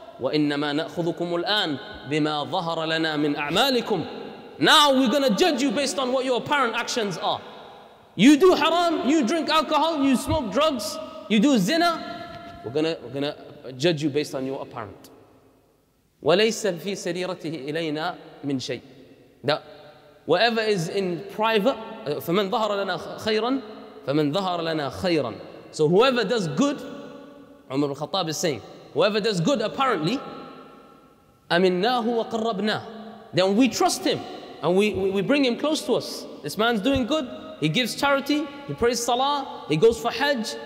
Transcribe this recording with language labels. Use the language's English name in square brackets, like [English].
[Arabic] وَإِنَّمَا نَأْخُذُكُمُ الْآنَ بِمَا ظَهَرَ لَنَا مِنْ أَعْمَالِكُمْ. [English] Now we're going to judge you based on what your apparent actions are. You do haram, you drink alcohol, you smoke drugs, you do zina. We're going to judge you based on your apparent. [Arabic] وَلَيْسَ فِي سَرِيرَتِهِ إِلَيْنَا مِنْ شَيْءٍ. [English] That whatever is in private, [Arabic] فَمَنْ ظَهَرَ لَنَا خَيْرًا فَمَنْ ظَهَرَ لَنَا خَيْرًا. [English] So whoever does good, Umar al-Khattab is saying, whoever does good apparently, [Arabic] أَمِنَّاهُ وَقَرَّبْنَاهُ. [English] Then we trust him and we bring him close to us. This man's doing good. He gives charity. He prays salah. He goes for hajj.